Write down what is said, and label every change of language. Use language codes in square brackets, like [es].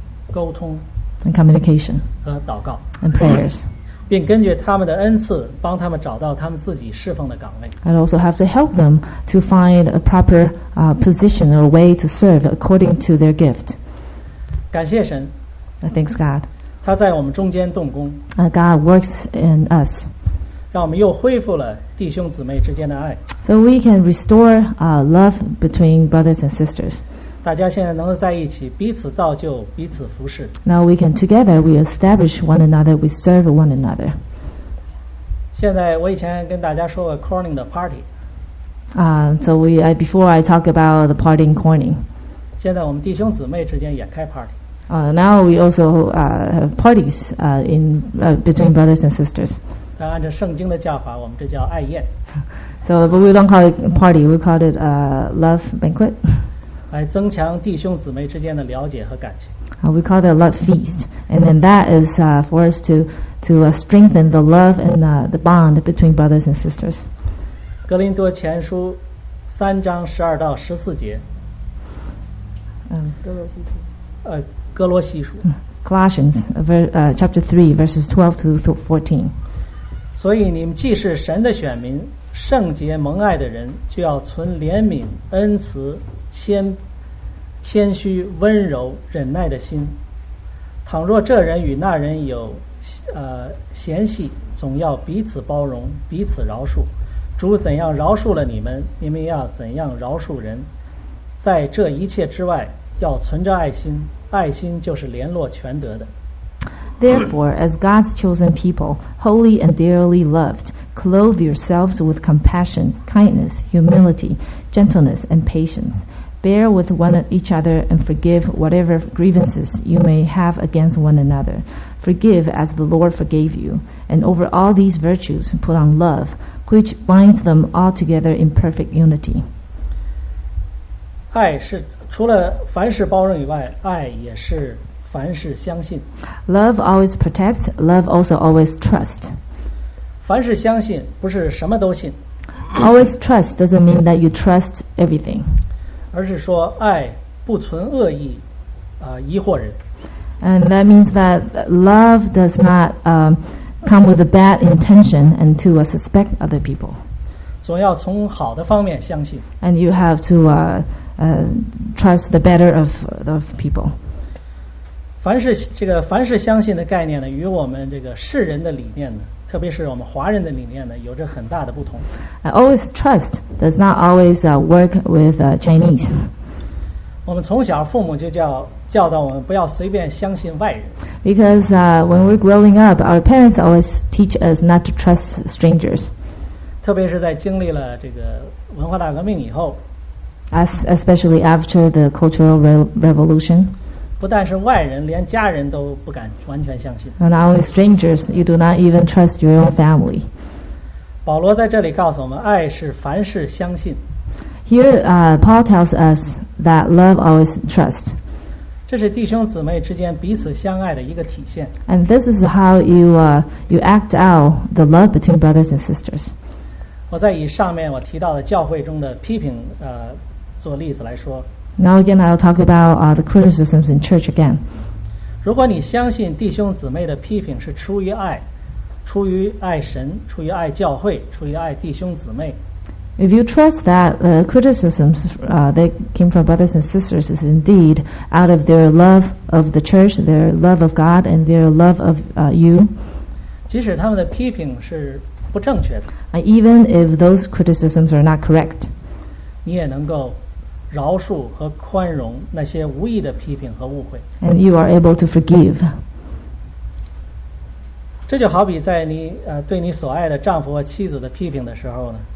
[zh] 沟通 [en] and communication [zh] 和祷告 [en] and prayers [zh] 并根据他们的恩赐帮他们找到他们自己侍奉的岗位 [en] I also have to help them to find a proper position or way to serve according to their gift [zh] 感谢神 [en] Thanks God [zh] 他在我们中间动工 [en] God works in us [zh] 让我们又恢复了弟兄姊妹之间的爱 [en] So we can restore love between brothers and sisters [zh] 大家现在能够在一起彼此造就彼此服侍 [en] Now we can together we establish one another we serve one another [zh] 现在我以前跟大家说过 Corning 的 party [en] So before I talk about the party in Corning [zh] 现在我们弟兄姊妹之间也开 party [en] Now we also have parties between brothers and sisters [zh] 按照圣经的叫法我们这叫爱宴 [en] So but we don't call it party We call it a love banquet [zh] 来增强弟兄姊妹之间的了解和感情 [en] We call it a love feast And then that is for us to strengthen the love and the bond between brothers and sisters [zh] 格林多前书三章十二到十四节哥罗西书 [en] Colossians chapter 3 verses 12 to 14 [zh] 所以你们既是神的选民圣洁蒙爱的人就要存怜悯恩慈谦虚温柔忍耐的心倘若这人与那人有嫌隙总要彼此包容彼此饶恕主怎样饶恕了你们你们要怎样饶恕人在这一切之外要存着爱心爱心就是联络全德的 [en] Therefore, as God's chosen people, holy and dearly loved, clothe yourselves with compassion, kindness, humility, gentleness, and patience. Bear with one each other and forgive whatever grievances you may have against one another. Forgive as the Lord forgave you. And over all these virtues, put on love, which binds them all together in perfect unity. [zh] 爱是除了凡事包容以外，爱也是凡事相信 [en] Love always protects Love also always trust [zh] 凡事相信不是什么都信 [en] Always trust doesn't mean that you trust everything [zh] 而是说爱不存恶意疑惑人 [en] And that means that love does not come with a bad intention and to suspect other people [zh] 总要从好的方面相信 [en] And you have to trust the better of people [zh] 凡是相信的概念呢，与我们这个世人的理念呢，特别是我们华人的理念呢，有着很大的不同。 [en] Always trust does not always work with Chinese. [zh] 我们从小父母就教导我们不要随便相信外人。 [en] Because when we're growing up, our parents always teach us not to trust strangers. [zh] 特别是在经历了这个文化大革命以后 [en] especially after the Cultural Revolution. [zh] 不但是外人连家人都不敢完全相信 [en] Not only strangers You do not even trust your own family [zh] 保罗在这里告诉我们爱是凡事相信 [en] Here Paul tells us That love always trusts [zh] 这是弟兄姊妹之间彼此相爱的一个体现。 [en] And this is how you act out the love between brothers and sisters. [zh] 我再以上面我提到的教会中的批评做例子来说。 [en] Now again, I'll talk about the criticisms in church again. [zh] 如果你相信弟兄姊妹的批评是出于爱，出于爱神，出于爱教会，出于爱弟兄姊妹。 [en] If you trust that the criticisms that came from brothers and sisters is indeed out of their love of the church, their love of God, and their love of you, [zh] 即使他们的批评是不正确的, [en] even if those criticisms are not correct, [zh] 你也能够饶恕和宽容那些无意的批评和误会, [en] and you are able to forgive. [zh] 这就好比在你对你所爱的丈夫和妻子的批评的时候呢。